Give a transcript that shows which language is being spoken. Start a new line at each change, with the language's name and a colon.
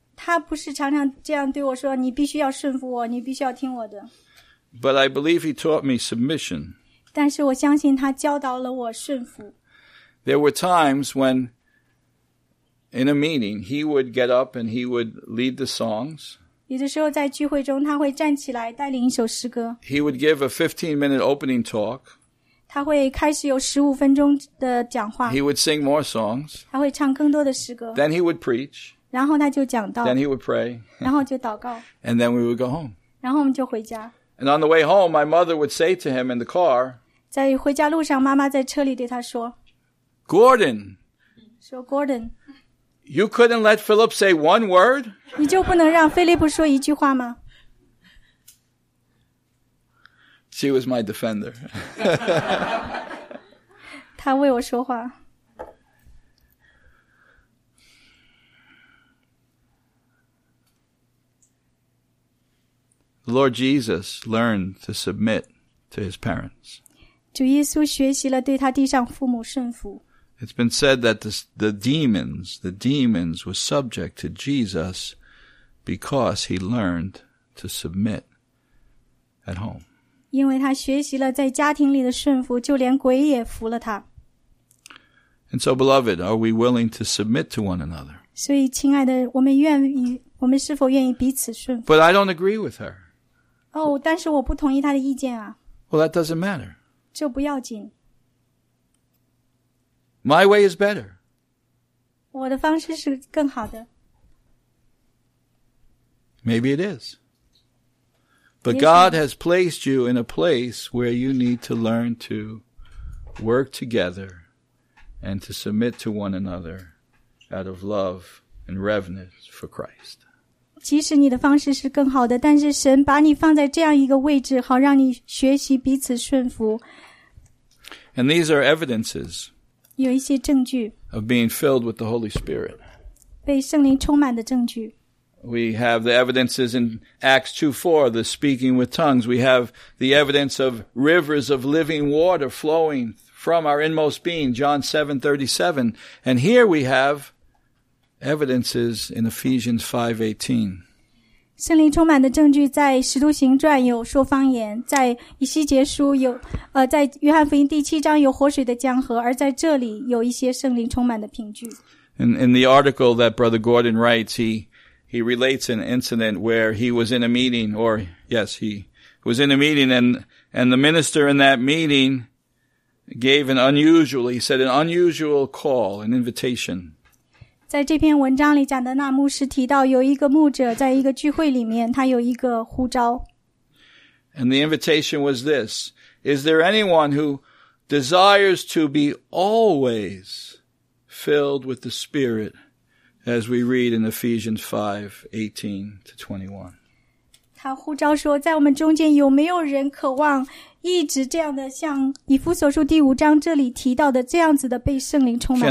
Chinese: 他不是常常这样对我说，你必须要顺服我，你必须要听我的。
English: But I believe he taught me submission.
Chinese: 但是我相信他教导了我顺服。
English: There were times when, in a meeting, he would get up and he would lead the songs.
Chinese: 有的时候在聚会中，他会站起来带领一首诗歌。
English: He would give a 15-minute opening talk.
Chinese: 他会开始有15分钟的讲话。
English: He would sing more songs.
Chinese: 他会唱更多的诗歌。
English: Then he would preach.
Chinese: 然后他就讲道。
English: Then he would pray.
Chinese: 然后就祷告。
English: And then we would go home.
Chinese: 然后我们就回家。
English: And on the way home, my mother would say to him in the car,
Chinese: 在回家路上，妈妈在车里对他说，
English: Gordon,
Chinese: 说 Gordon,
English: you couldn't let Philip say one word?
Chinese: 你就不能让菲利普说一句话吗？
English: She was my defender.
Chinese: 她为我说话。
English: Lord Jesus learned to submit to his parents.
Chinese: 主耶稣学习了对他地上父母顺服。
English: It's been said that the demons were subject to Jesus because he learned to submit at home.
Chinese: 因为他学习了在家庭里的顺服，就连鬼也服了他。
English: And so, beloved, are we willing to submit to one another?
Chinese: 所以，亲爱的，我们是否愿意彼此顺服？
English: But I don't agree with her.
Chinese: 哦，但是我不同意他的意见啊。
English: Well, that doesn't matter.
Chinese: 这不要紧。
English: My way is better.
Chinese: 我的方式是更好的。
English: Maybe it is. But God has placed you in a place where you need to learn to work together and to submit to one another out of love and reverence for Christ.
Chinese: 即使你的方式是更好的，但是神把你放在这样一个位置，好让你学习彼此顺服。
English: And these are evidences.
Chinese: 有一些证据。
English: Of being filled with the Holy Spirit.
Chinese: 被圣灵充满的证据。
English: We have the evidences in Acts 2:4, the speaking with tongues. We have the evidence of rivers of living water flowing from our inmost being, John 7:37. And here we have evidences in Ephesians 5:18.
Chinese: 圣灵充满的证据在使徒行传有说方言，在以西结书有，在约翰福音第七章有活水的江河，而在这里有一些圣灵充满的凭据。
English: In the article that Brother Gordon writes, he relates an incident where he was in a meeting, or yes, he was in a meeting and the minister in that meeting gave an unusual call, an invitation.
Chinese: 在这篇文章里讲的那牧师提到有一个牧者在一个聚会里面，他有一个呼召。
English: And the invitation was this, is there anyone who desires to be always filled with the Spirit? As we read in Ephesians 5:18-21.
Chinese: 他呼召说，在我们中间有没有人渴望一直这样的，像以弗所书第五章这里提到的这样子的被圣灵充满。